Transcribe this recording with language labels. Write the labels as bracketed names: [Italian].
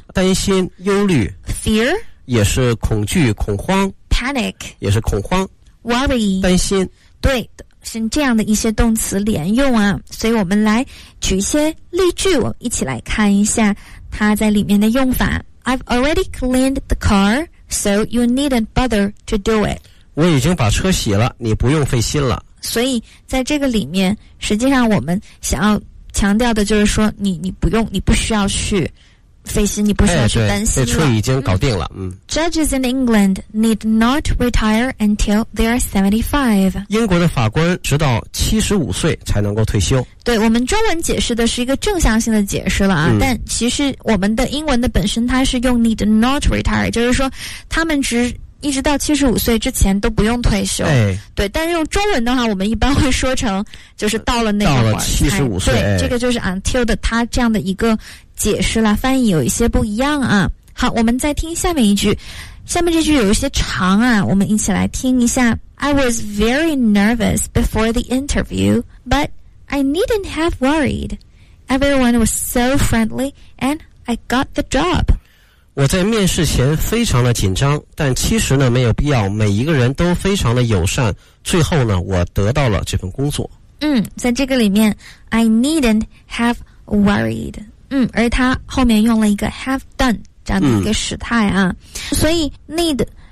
[Chinese] 担心忧虑， [English] fear [Chinese] 也是恐惧恐慌， [English] panic [Chinese] 也是恐慌， [English] worry [Chinese] 担心，对，是这样的一些动词连用啊。所以我们来举一些例句，我们一起来看一下它在里面的用法。 [English] I've already cleaned the car, so you needn't bother to do it， [Chinese] 我已经把车洗了，你不用费心了。所以在这个里面实际上我们想要强调的就是说你不用，你不需要去费心，你不需要去担心了，这车已经搞定了。 [English] Judges in England need not retire until they are 75. [Chinese] 英国的法官直到75岁才能够退休。对，我们中文解释的是一个正向性的解释了啊，但其实我们的英文的本身它是用 need not retire，就是说他们只一直到75岁之前都不用退休。对，但是用中文的话我们一般会说成就是到了那会儿，到了75岁。对，这个就是 until 的他这样的一个解释啦，翻译有一些不一样啊。好，我们再听下面一句，下面这句有一些长啊，我们一起来听一下。 [English] I was very nervous before the interview, but I needn't have worried. Everyone was so friendly and I got the job. [Chinese] 我在面试前非常的紧张，但其实呢没有必要，每一个人都非常的友善，最后呢我得到了这份工作。在这个里面 I needn't have worried，而他后面用了一个 have done 这样的一个时态啊。所以 need